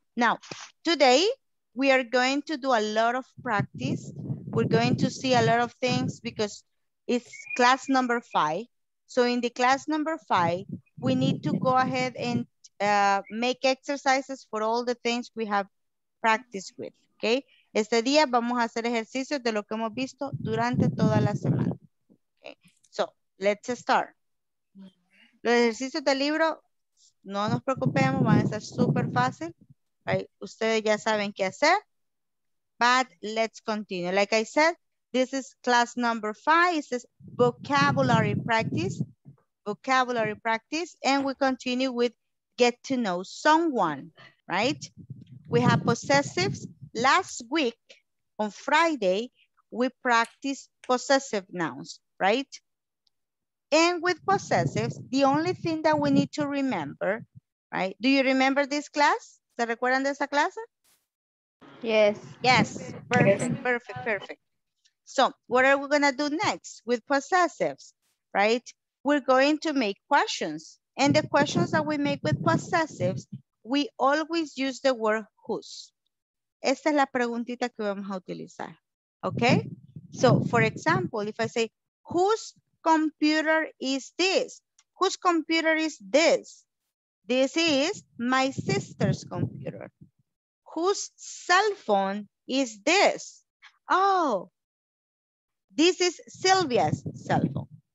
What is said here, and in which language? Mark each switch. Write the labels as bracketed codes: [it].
[en] Now, today we are going to do a lot of practice. We're going to see a lot of things because it's class number 5. So in the class number 5, we need to go ahead and make exercises for all the things we have practiced with, okay? [es] Este día vamos a hacer ejercicios de lo que hemos visto durante toda la semana. Okay. [en] So, let's start. [es] Los ejercicios del libro, no nos preocupemos, van a ser súper fácil. Right? Ustedes ya saben qué hacer. [en] But let's continue. Like I said, this is class number 5. It says vocabulary practice. Vocabulary practice. And we continue with get to know someone, right? We have possessives. Last week, on Friday, we practiced possessive nouns, right? And with possessives, the only thing that we need to remember, right? Do you remember this class? [es] ¿Se recuerdan de esa clase? [en] Yes. Yes. Perfect, perfect, perfect. So what are we going to do next with possessives, right? We're going to make questions. And the questions that we make with possessives, we always use the word whose. [es] Esta es la preguntita que vamos a utilizar. [en] Okay? So, for example, if I say, whose computer is this? Whose computer is this? This is my sister's computer. Whose cell phone is this? Oh, this is Sylvia's cell phone.